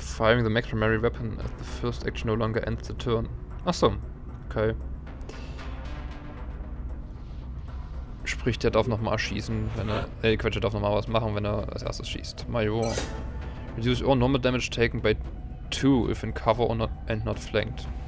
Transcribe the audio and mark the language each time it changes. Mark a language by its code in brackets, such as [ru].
[en] Firing the Macromary weapon at the first action no longer ends the turn. [de] Achso. Okay. Sprich, der darf nochmal schießen, wenn er. Ey, Quatsch, der darf nochmal was machen, wenn er als erstes schießt. [en] Major. Reduce all normal damage taken by 2 if in cover or not, and not flanked.